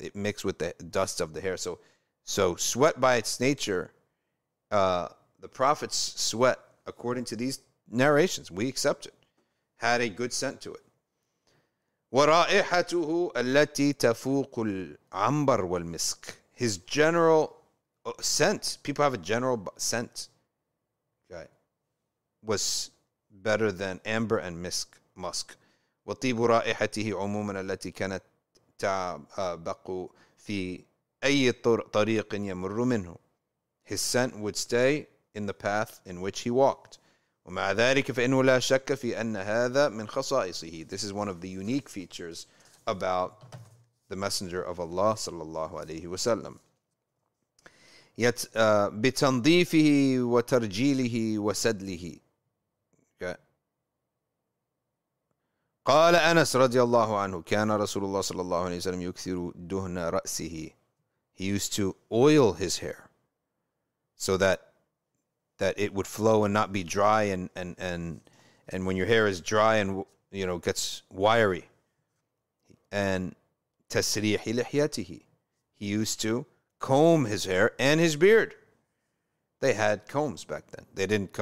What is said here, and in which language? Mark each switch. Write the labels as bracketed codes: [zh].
[en] It mixed with the dust of the hair. So sweat by its nature, the Prophet's sweat, according to these narrations, we accept it, had a good scent to it. [ar] وَرَائِحَتُهُ الَّتِي تَفُوقُ الْعَمْبَرُ وَالْمِسْكُ. [en] His general scent, people have a general scent, okay, was better than amber and musk. [ar] وطيب رائحته عموما التي كانت تبقى في أي طريق يمر منه. [en] His scent would stay in the path in which he walked. [ar] ومع ذلك فإنه لا شك في أن هذا من خصائصه. [en] This is one of the unique features about the Messenger of Allah [ar] صلى الله عليه وسلم. يت بتنظيفه وترجيله وسدله. قال أنس رضي الله عنه كان رسول الله صلى الله عليه وسلم يكثر دهن رأسه. [en] He used to oil his hair so that it would flow and not be dry, and when your hair is dry and gets wiry, and [ar] تسريح لحيته. [en] He used to comb his hair and his beard. They had combs back then.